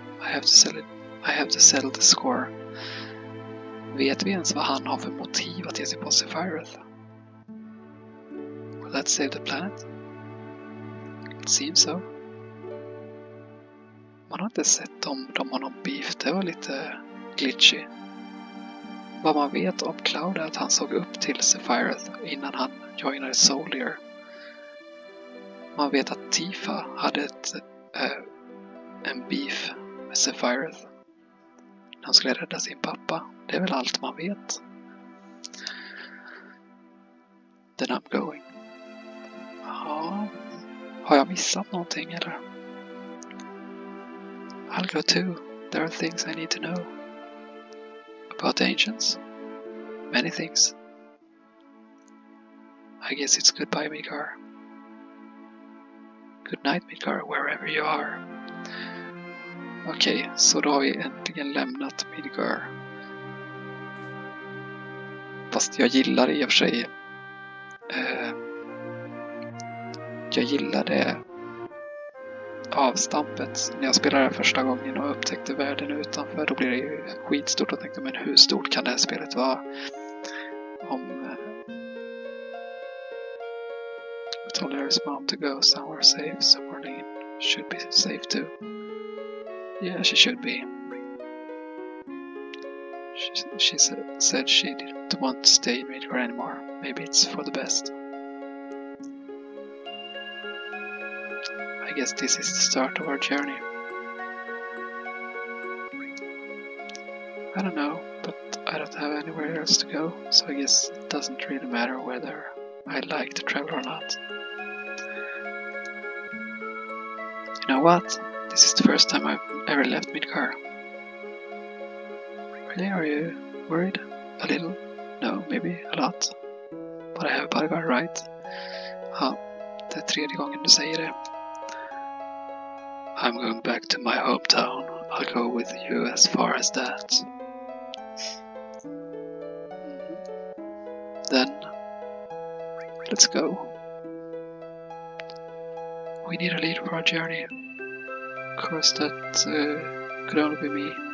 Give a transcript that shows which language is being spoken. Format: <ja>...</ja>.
<en>I have to settle the score.</en> <sv>Vet vi ens vad han har för motiv att ge sig på The virus?</sv> <en>Will that save the planet? It seems so.</en> <sv>Man har inte sett om de har någon beef. Det var lite glitchy. Vad man vet om Cloud är att han såg upp till Sephiroth innan han joinade Soldier. Man vet att Tifa hade en beef med Sephiroth. Han skulle rädda sin pappa. Det är väl allt man vet.</sv> <en>Then I'm going.</en> <sv>Ja. Har jag missat någonting eller?</sv> <en>I'll go too. There are things I need to know. About the ancients? Many things. I guess it's goodbye, Midgar. Good night, Midgar, wherever you are.</en> <sv>Okej, så då har vi äntligen lämnat Midgar. Fast jag gillar i och för sig jag gillar det avstampet när jag spelade första gången och upptäckte världen utanför. Då blir det ju skitstort och tänkte, men hur stort kan det här spelet vara?</sv> <en>Om there is mom to go somewhere safe, so Marlene should be safe too. Yeah, she should be. She said she didn't want to stay in Midgar anymore. Maybe it's for the best. I guess this is the start of our journey. I don't know, but I don't have anywhere else to go, so I guess it doesn't really matter whether I like to travel or not. You know what? This is the first time I've ever left Midgar. Really, are you worried? A little? No, maybe a lot. But I have bodyguard, right?</en> <sv>Ja, det är tredje gången du säger det.</sv> <en>I'm going back to my hometown. I'll go with you as far as that. Then, let's go. We need a lead for our journey. Of course, that could only be me.</en>